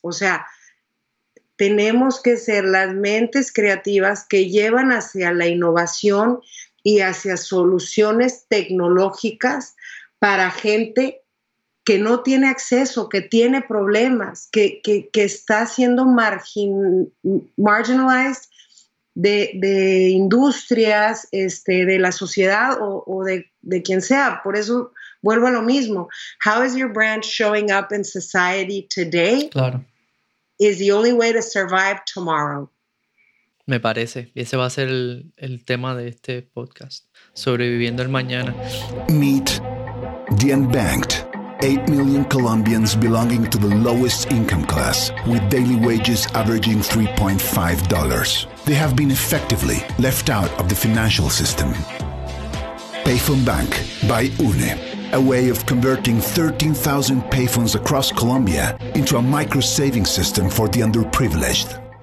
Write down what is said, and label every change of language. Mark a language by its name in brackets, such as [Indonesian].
[Spanish] O sea, tenemos que ser las mentes creativas que llevan hacia la innovación y hacia soluciones tecnológicas para gente que no tiene acceso, que tiene problemas, que está siendo marginalized de industrias, de la sociedad o de quien sea. Por eso vuelvo a lo mismo. [English] How is your brand showing up in society today? [Spanish] Claro. [English] Is the only way to survive tomorrow. [Spanish] Me parece. Y ese va a ser el tema de este podcast. Sobreviviendo el mañana. [English] Meet the unbanked. 8 million Colombians belonging to the lowest income class, with daily wages averaging $3.5. They have been effectively left out of the financial system. Payphone Bank by UNE, a way of converting 13,000 payphones across Colombia into a micro-saving system for the underprivileged.